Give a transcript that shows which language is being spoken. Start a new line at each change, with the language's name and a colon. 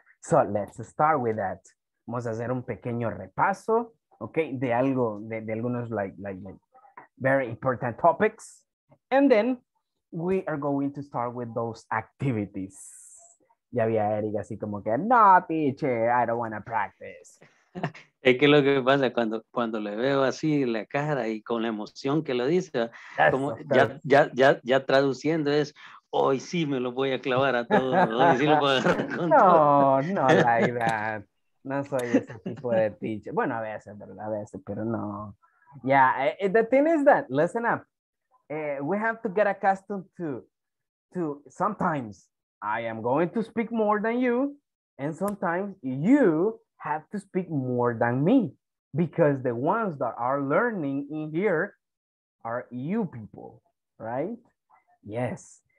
English: So, let's start with that.
Spanish: Vamos a hacer un pequeño repaso, okay, de algo, de algunos
English: like very important topics. And then we are going to start with those activities.
Spanish: Ya había Eric así como que, no, teacher,
English: I don't want to practice.
Spanish: Es que lo que pasa cuando le veo así la cara y con la emoción que lo dice, como ya traduciendo es, hoy sí me lo voy a clavar a todos. Sí lo puedo agarrar con no, todo. No,
English: like that.
Spanish: No soy ese tipo de teacher. Bueno, a veces, ¿verdad? A veces, pero no.
English: Yeah, the thing is that, listen up. We have to get accustomed to sometimes I am going to speak more than you, and sometimes you have to speak more than me, because the ones that are learning in here are you people, right? Yes.